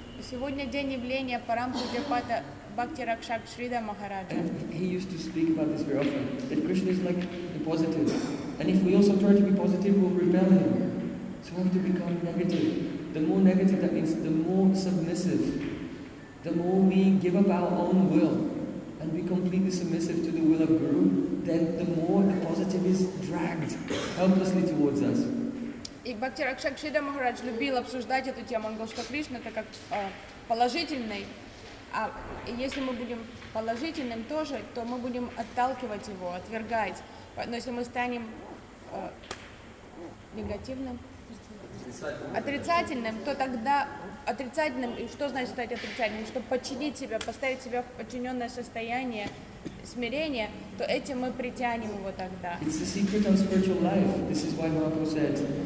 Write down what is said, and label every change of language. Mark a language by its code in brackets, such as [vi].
[ru] Сегодня день явления Парампуджа Пада Бхакти Ракшак Шрида Махараджа. [en] He used to speak about this very often, that Krishna is like the positive. And if we also try to be positive, we'll rebel him. So we have to become negative. The more negative, that means the more submissive, the more we give up our own will, and be completely submissive to the will of Guru, then the more the positive is dragged helplessly towards us. [ru] И Бхакти Ракшак Шрида Махарадж любил обсуждать эту тему. Он говорил, что Кришна это как положительный. А если мы будем положительным тоже, то мы будем отталкивать его, отвергать. Но если мы станем негативным, отрицательным, то тогда отрицательным, и что значит стать отрицательным? Чтобы подчинить себя, поставить себя в подчиненное состояние смирения, то этим мы притянем его тогда. [en] It's the secret of spiritual life. This is why Mahaprabhu said,